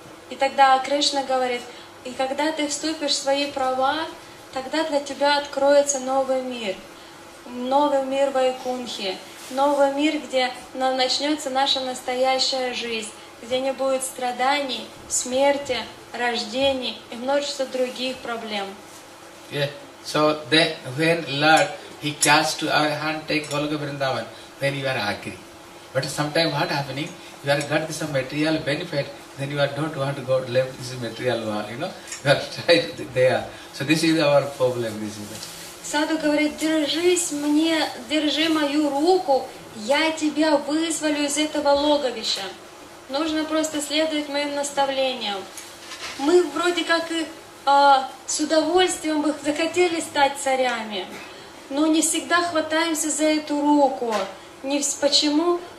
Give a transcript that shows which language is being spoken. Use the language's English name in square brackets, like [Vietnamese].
[Russian] И тогда Кришна говорит, и когда ты вступишь в свои права, тогда для тебя откроется новый мир. Новый мир Вайкунхи. Новый мир, где начнется наша настоящая жизнь, где не будет страданий, смерти, рождений и множества других проблем. [English] Yeah. So then when Lord he cast to our hand take Golga Vrindavan, then you are angry. But sometimes what happening? You are got some material benefit, then you are don't want to go left this material world, you know? You are right there. So this is our problem, this is it. [Russian] Саду говорит, держись мне, держи мою руку, я тебя вызволю из этого логовища. Нужно просто следовать моим наставлениям. Мы вроде как и с удовольствием бы захотели стать царями, но не всегда хватаемся за эту руку. Почему?